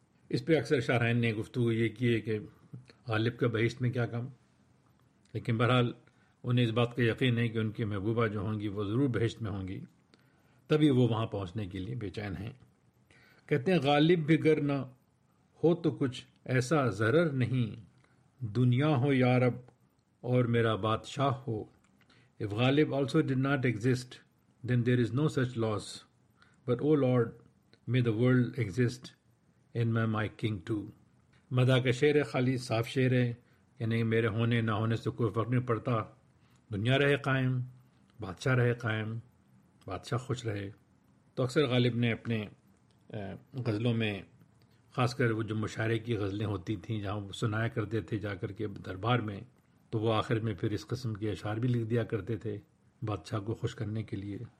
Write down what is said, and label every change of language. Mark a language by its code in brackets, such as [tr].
[ur] اس پہ اکثر شارحین نے گفتگو یہ کی ہے کہ غالب کا بہشت میں کیا کام, لیکن بہرحال انہیں اس بات کا یقین ہے کہ ان کی محبوبہ جو ہوں گی وہ ضرور بہشت میں ہوں گی, تبھی وہ وہاں پہنچنے کے لیے بے چین ہیں. کہتے ہیں غالب بھی گر نہ ہو تو کچھ ایسا ضرر نہیں, دنیا ہو یا رب اور میرا بادشاہ ہو. [en] If Ghalib also did not exist, then there is no such loss, but O Lord, may the world exist in my king too. [ur] مدہ کا شعر ہے, خالی صاف شعر ہے, یعنی میرے ہونے نہ ہونے سے کوئی فرق نہیں پڑتا, دنیا رہے قائم, بادشاہ رہے قائم, بادشاہ خوش رہے. تو اکثر غالب نے اپنے غزلوں میں, خاص کر وہ جو مشاعرے کی غزلیں ہوتی تھیں جہاں وہ سنایا کرتے تھے جا کر کے دربار میں, تو وہ آخر میں پھر اس قسم کے اشعار بھی لکھ دیا کرتے تھے بادشاہ کو خوش کرنے کے لیے.